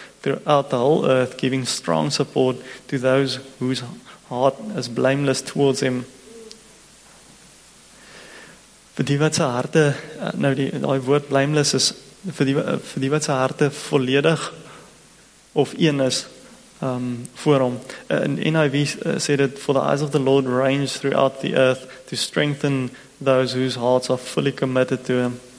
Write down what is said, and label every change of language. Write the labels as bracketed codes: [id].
[en] throughout the whole earth, giving strong support to those whose heart is blameless towards him. [af] Vir die wat sy harte, nou die daai woord blameless is, vir die wat sy harte volledig of een is, voor hom. In NIV sê dit, [en] for the eyes of the Lord range throughout the earth to strengthen those whose hearts are fully committed to him.